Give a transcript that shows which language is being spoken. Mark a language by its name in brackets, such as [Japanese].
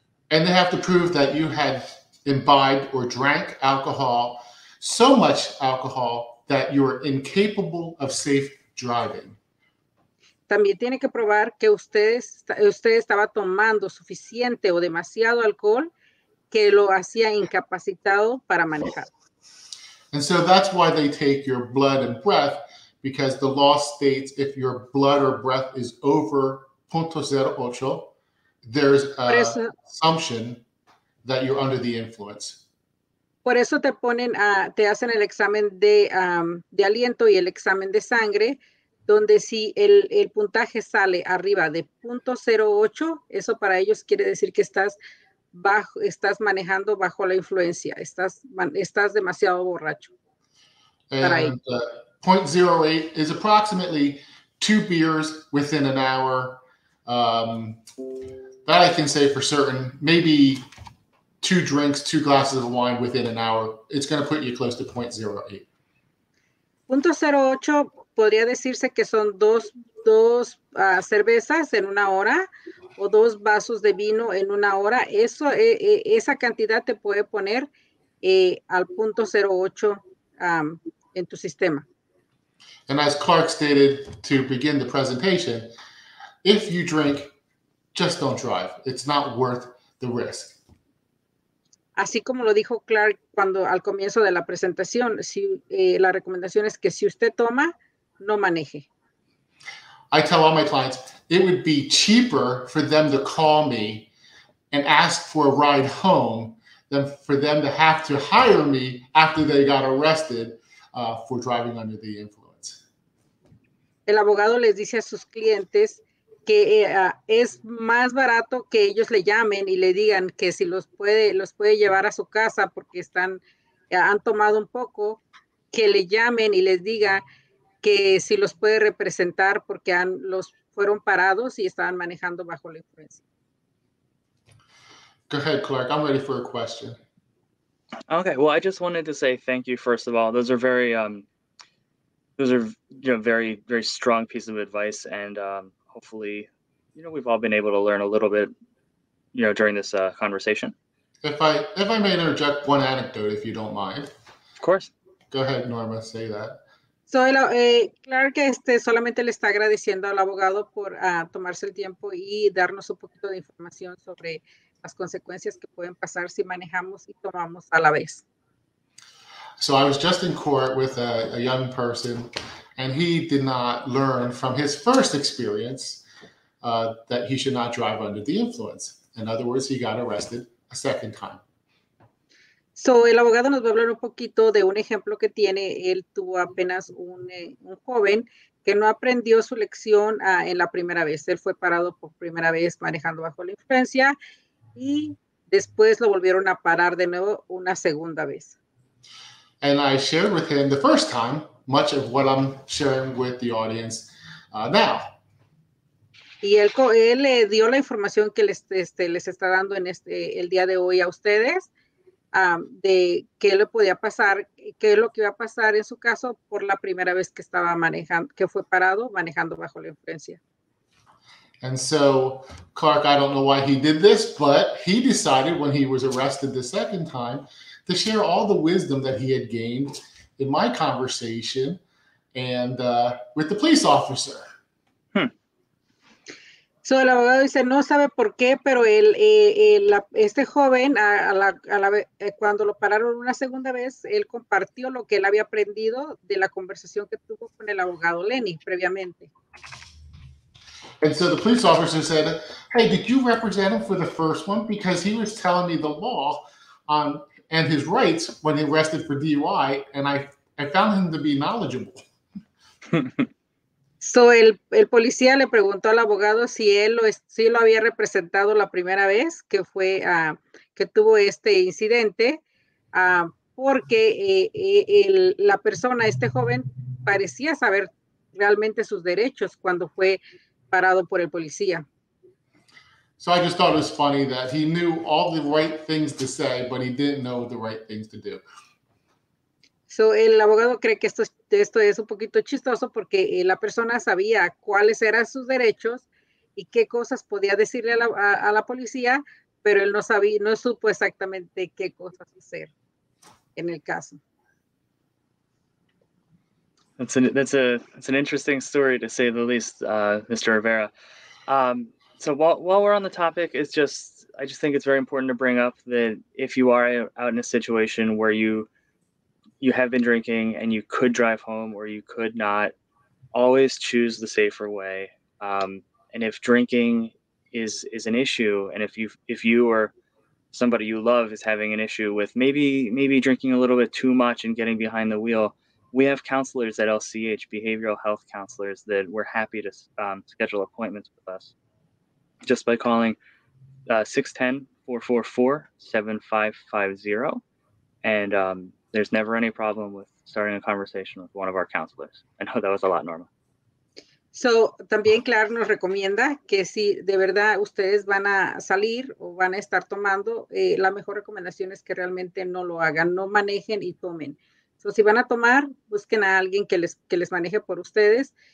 [English] And they have to prove that you had imbibed or drank alcohol, so much alcohol that you were incapable of safe driving. [Spanish] También tiene que probar que usted estaba tomando suficiente o demasiado alcohol que lo hacía incapacitado para manejar. [English] And so that's why they take your blood and breath, because the law states if your blood or breath is over 0.08, there's an assumption that you're under the influence. [Spanish] Por eso te hacen el examen de aliento y el examen de sangre, donde si el puntaje sale arriba de 0.08, eso para ellos quiere decir que estás manejando bajo la influencia, estás demasiado borracho. [English] And, [Spanish] para ellos. [English] 0.08 is approximately 2 beers within an hour. That I can say for certain, maybe 2 drinks, 2 glasses of wine within an hour. It's going to put you close to 0.08. [Spanish] 0.08 podría decirse que son dos cervezas en una hora o 2 vasos de vino en una hora. Eso, esa cantidad te puede poner al 0.08 en tu sistema. [English] And as Clark stated to begin the presentation, if you drink, just don't drive. It's not worth the risk. [Spanish] Así como lo dijo Clark cuando al comienzo de la presentación, la recomendación es que si usted toma, no maneje. [English] I tell all my clients, it would be cheaper for them to call me and ask for a ride home than for them to have to hire me after they got arrested for driving under the influence. [Spanish] El abogado les dice a sus clientes que es más barato que ellos le llamen y le digan que si los puede llevar a su casa porque han tomado un poco, que le llamen y les diga que si los puede representar porque fueron parados y estaban manejando bajo la influencia. [English] Go ahead, Clark. I'm ready for a question. Okay, well, I just wanted to say thank you, first of all. Those are very, very, very strong piece of advice, and hopefully, we've all been able to learn a little bit, during this conversation. If I may interject one anecdote, if you don't mind. Of course. Go ahead, Norma, say that. [Spanish] So, Clark, solamente le está agradeciendo al abogado por tomarse el tiempo y darnos un poquito de información sobre las consecuencias que pueden pasar si manejamos y tomamos a la vez. [English] So I was just in court with a young person, and he did not learn from his first experience that he should not drive under the influence. In other words, he got arrested a second time. [Spanish] So, el abogado nos va a hablar un poquito de un ejemplo que tiene. Él tuvo apenas un joven que no aprendió su lección en la primera vez. Él fue parado por primera vez manejando bajo la influencia y después lo volvieron a parar de nuevo una segunda vez. [English] And I shared with him the first time much of what I'm sharing with the audience now. [Spanish] Y él le dio la información que les está dando el día de hoy a ustedes. de qué le podía pasar, qué es lo que iba a pasar en su caso por la primera vez que estaba manejando, que fue parado manejando bajo la influencia. [English] And so Clark, I don't know why he did this, but he decided when he was arrested the second time to share all the wisdom that he had gained in my conversation and with the police officer. [Spanish] So el abogado dice, no sabe por qué, pero este joven, cuando lo pararon una segunda vez, él compartió lo que él había aprendido de la conversación que tuvo con el abogado Lenny previamente. [English] And so the police officer said, hey, did you represent him for the first one? Because he was telling me the law on and his rights when he arrested for DUI, and I found him to be knowledgeable. [Spanish] So el policía le preguntó al abogado si lo había representado la primera vez que fue que tuvo este incidente, porque la persona, este joven, parecía saber realmente sus derechos cuando fue parado por el policía. [English] So I just thought it was funny that he knew all the right things to say, but he didn't know the right things to do. [Spanish] So el abogado cree que esto es un poquito chistoso porque la persona sabía cuáles eran sus derechos y qué cosas podía decirle a la policía, pero él no supo exactamente qué cosas hacer en el caso. [English] That's an interesting story to say the least, Mr. Rivera. So while we're on the topic, I just think it's very important to bring up that if you are out in a situation where you have been drinking and you could drive home or you could not, always choose the safer way. And if drinking is an issue, and if you or somebody you love is having an issue with maybe drinking a little bit too much and getting behind the wheel, we have counselors at LCH, behavioral health counselors, that we're happy to schedule appointments with us just by calling 610-444-7550. And there's never any problem with starting a conversation with one of our counselors. I know that was a lot, Norma. [Spanish] So, también Clark nos recomienda que si de verdad ustedes van a salir o van a estar tomando, la mejor recomendación es que realmente no lo hagan, no manejen y tomen. So, si van a tomar, busquen a alguien que les maneje por ustedes.